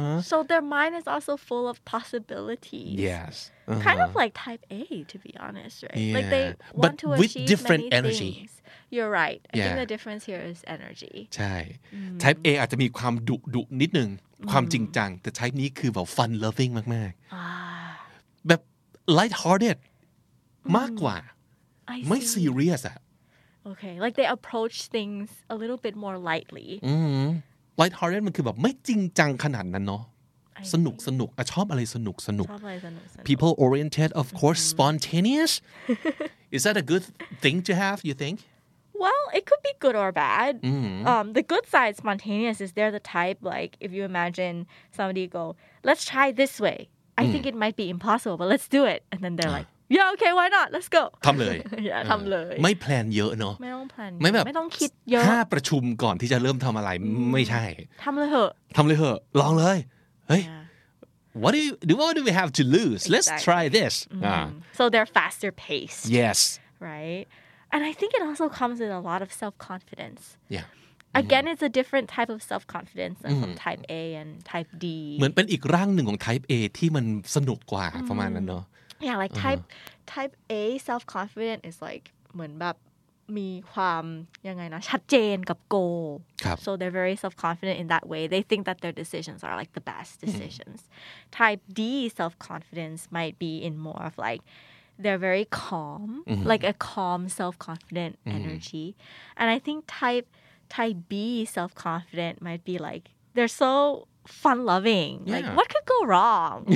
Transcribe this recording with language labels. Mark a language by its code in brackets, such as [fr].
[en] So their mind is also full of possibilities. Yes. Kind of like type A, to be honest, right? Yeah. Like they want But to achieve different many energy. Things. You're right. I think the difference here is energy. [th] ใช่ Type A อาจจะมีความดุนิดนึงความจริงจังแต่ type นี้คือแบบ [en] fun loving [th] มากๆแบบ light hearted มากกว่าไม่ serious อ่ะ [en] okay like they approach things a little bit more lightly [th] light hearted มันคือแบบไม่จริงจังขนาดนั้นเนาะสนุกสนุกชอบอะไรสนุกสนุก [en] people oriented of course spontaneous is that a good thing to have you think well it could be good or bad the good side spontaneous is they're the type like if you imagine somebody go let's try this way I think it might be impossible but let's do it and then they're likeYeah, okay, why not? Let's go. [th] ทำเลย Yeah, ทำเลย ไม่แพลนเยอะเนาะ ไม่ต้องแพลน ไม่แบบ ไม่ต้องคิดเยอะ 5ประชุมก่อนที่จะเริ่มทำอะไรไม่ใช่ ทำเลยเหอะ ทำเลยเหอะลองเลยเฮ้ย [en] What do we have to lose? Exactly. Let's try this. So they're faster paced. Yes. Right? And I think it also comes with a lot of self-confidence. Yeah. Again, it's a different type of self-confidence from type A and type D. [th] เหมือนเป็นอีกร่างหนึ่งของ type A ที่มันสนุกกว่าประมาณนั้นเนาะ [en] Yeah, like type A self confident is like [th] เหมือนแบบมีความยังไงนะชัดเจนกับ [en] goal [th] ครับ [en] so they're very self confident in that way they think that their decisions are like the best decisions type D self confidence might be in more of like they're very calm like a calm self confident energy and I think type B self confident might be like they're soFun loving, like what could go wrong?